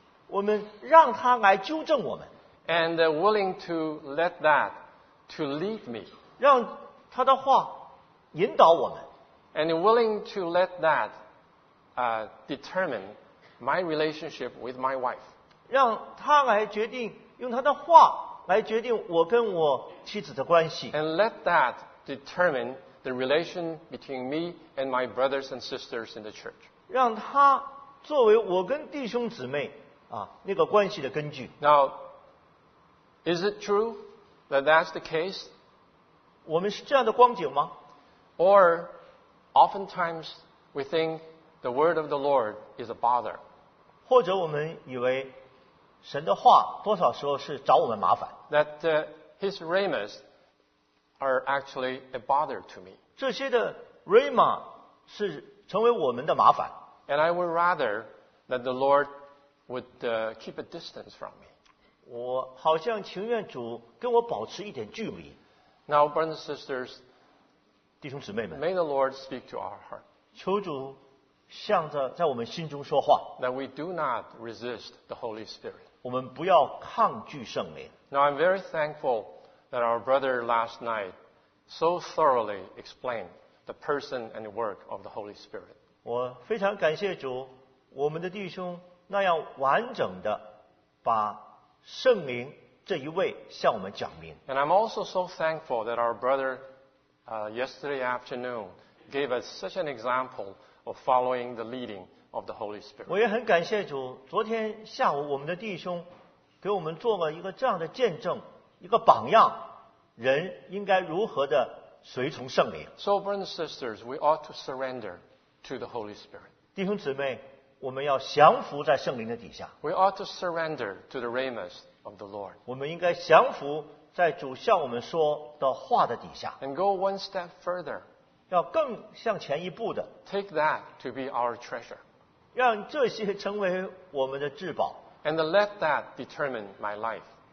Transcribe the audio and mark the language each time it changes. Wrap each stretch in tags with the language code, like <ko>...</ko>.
<zh>我们让他来纠正我们。</zh> <en>And willing to let that to lead me.</en> <zh>让他的话引导我们。</zh> <en>And willing to let that determine my relationship with my wife.</en> <zh>让他来决定, 用他的话来决定我跟我妻子的关系。</zh> <en>And let that determine the relation between me and my brothers and sisters in the church.</en> <zh>让他作为我跟弟兄姊妹, 啊, 那个关系的根据。</zh> <en>Now, is it true that that's the case?</en> <zh>我们是这样的光景吗?</zh> <en>Or, oftentimes, we think the word of the Lord is a bother.</en> <zh>或者我们以为, 神的话多少时候是找我们麻烦。</zh> <en>That his rhemas are actually a bother to me.</en> <zh>这些的rhema是成为我们的麻烦。</zh> <en>And I would rather that the Lord would keep a distance from me.</en> <zh>我好像情愿主跟我保持一点距离。</zh> <en>Now, brothers and sisters,</en> <zh>弟兄姊妹们,</zh> <en>may the Lord speak to our heart.</en> <zh>求主向着在我们心中说话。</zh> <en>That we do not resist the Holy Spirit.</en> <zh>我们不要抗拒圣灵。</zh> <en>Now I'm very thankful that our brother last night so thoroughly explained the person and work of the Holy Spirit.</en> <zh>我非常感谢主, 我们的弟兄那样完整地把圣灵这一位向我们讲明。</zh> <en>And I'm also so thankful that our brother yesterday afternoon gave us such an example of following the leading of the Holy Spirit.</en> <zh>我也很感谢主, 昨天下午我们的弟兄给我们做了一个这样的见证, 一个榜样, 人应该如何的随从圣灵。</zh> <en>So, brothers and sisters, we ought to surrender to the Holy Spirit.</en> <zh>弟兄姊妹, 我们要降服在圣灵的底下。</zh> <en>We ought to surrender to the Rhemas of the Lord.</en> <zh>我们应该降服在主向我们说的话的底下。</zh> <en>And go one step further.</en> <zh>要更向前一步的。</zh> <en>Take that to be our treasure.</en> <zh>让这些成为我们的至宝。</zh> <en>And let that determine my life.</en>